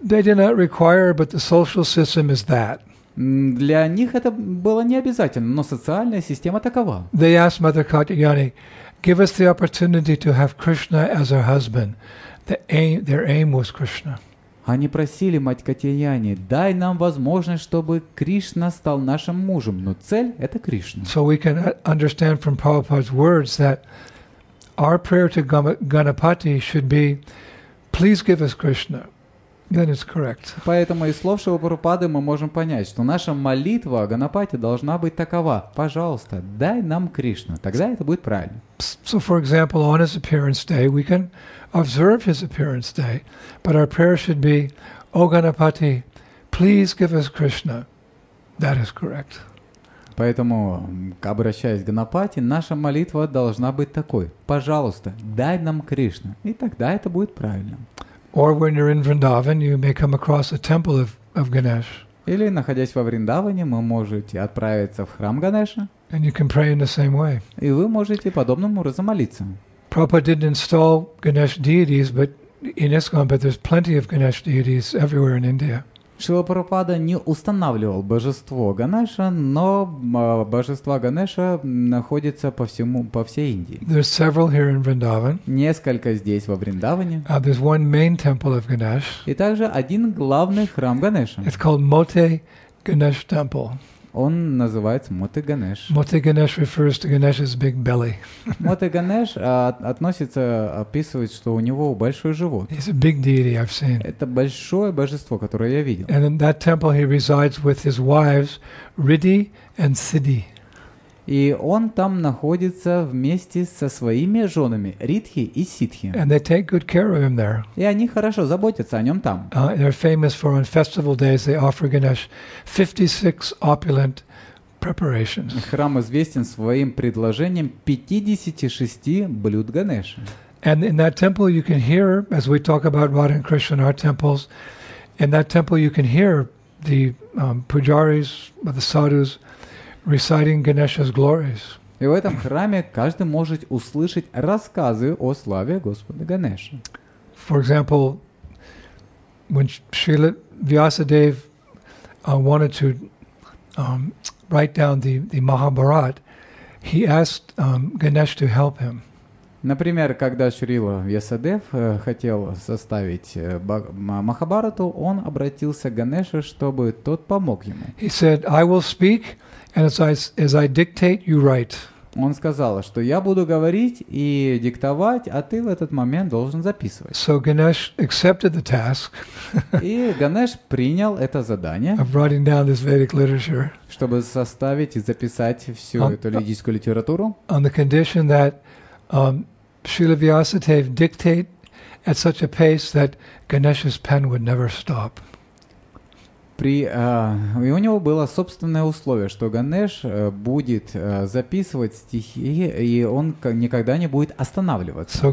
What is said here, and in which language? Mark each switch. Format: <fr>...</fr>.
<en>They did not require, but the social system is that.</en> <ru>Для них это было не обязательно, но социальная система такова.</ru> <en>They asked Mother Katyayani, give us the opportunity to have Krishna as our husband. Their aim was Krishna.</en> <ru>Они просили мать Катьяяни, дай нам возможность, чтобы Кришна стал нашим мужем. Но цель — это Кришна.</ru> <en>So we can understand from Prabhupada's words that our prayer to Ganapati should be, please give us Krishna. Then it's correct.</en> <ru>Поэтому из слов Шрилы Прабхупады мы можем понять, что наша молитва о Ганапати должна быть такова. Пожалуйста, дай нам Кришну. Тогда это будет правильно.</ru> <en>So, for example, on his appearance day, we can observe his appearance day, but our prayer should be, O Ganapati, please give us Krishna. That is correct.</en> <ru>Поэтому, обращаясь к Ганапати, наша молитва должна быть такой. Пожалуйста, дай нам Кришну. И тогда это будет правильно.</ru> <en>Or when you're in Vrindavan, you may come across a temple of Ganesh.</en> <ru>Или находясь во Вриндаване, вы можете отправиться в храм Ганеша.</ru> <en>And you can pray in the same way.</en> <ru>И вы можете подобным образом молиться.</ru> <en>Prabhupada didn't install Ganesh deities, but in ISKCON, but there's plenty of Ganesh deities everywhere in India.</en> <ru>Шрила Прабхупада не устанавливал божество Ганеша, но божество Ганеша находится по всей Индии.</ru> <en>There's several here in Vrindavan.</en> <ru>Несколько здесь во Вриндаване.</ru> <en>There's one main temple of Ganesh.</en> <ru>И также один главный храм Ганеша.</ru> <en>It's called Mote Ganesh Temple.</en> <ru>Он называется Моте Ганеш.</ru> <en>Моте Ганеш refers to Ganesh's big belly.</en> <ru>Моте Ганеш описывает, что у него большой живот.</ru> <en>He's a big deity I've seen.</en> <ru>Это большое божество, которое я видел.</ru> <en>And in that temple he resides with his wives Riddhi and Siddhi.</en> <ru>И он там находится вместе со своими женами Ридхи и Сидхи.</ru> <en>And they take good care of him there.</en> <ru>И они хорошо заботятся о нем там.</ru> <en>They're famous for on festival days they offer Ganesh 56 opulent preparations.</en> <ru>Храм известен своим предложением 56 блюд Ганеша.</ru> <en>And in that temple you can hear, as we talk about Radha and Krishna in our temples, in that temple you can hear the pujaris, the sadhus, reciting Ganesha's glories.</en> <ru>И в этом храме каждый может услышать рассказы о славе Господа Ганеши.</ru> <en>For example, when Srila Vyasadeva wanted to write down the Mahabharat, he asked Ganesh to help him.</en> <ru>Например, когда Шрила Вьясадев хотел составить Махабарату, он обратился к Ганеше, чтобы тот помог ему.</ru> <en>He said, "I will speak, and as I dictate, you write."</en> <ru>Он сказал, что я буду говорить и диктовать, а ты в этот момент должен записывать.</ru> <en>So Ganesh accepted the task.</en> <ru>И Ганеш принял это задание.</ru> <en>Of writing down this Vedic literature.</en> <ru>Чтобы составить и записать всю эту ведическую литературу.</ru> <en>On the condition that Srila Vyasadeva dictate at such a pace that Ganesha's pen would never stop.</en> <ru>И у него было собственное условие, что Ганеш будет записывать стихи, и он никогда не будет останавливаться.</ru>